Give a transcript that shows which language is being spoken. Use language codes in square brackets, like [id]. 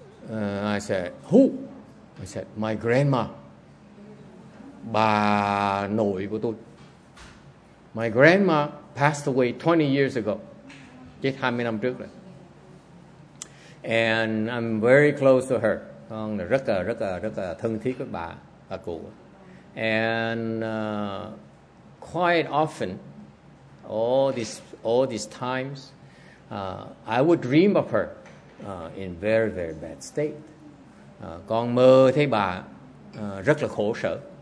[en] I said, who? I said, my grandma. [vi] Bà nội của tôi. [en] My grandma passed away 20 years ago. [vi] Chết 20 năm trước rồi. [en] And I'm very close to her. [vi] Con là rất là, rất là, rất là thân thiết với bà cụ. [en] And quite often, all these times, I would dream of her in very, very bad state. [vi] Con mơ thấy bà rất là khổ sở.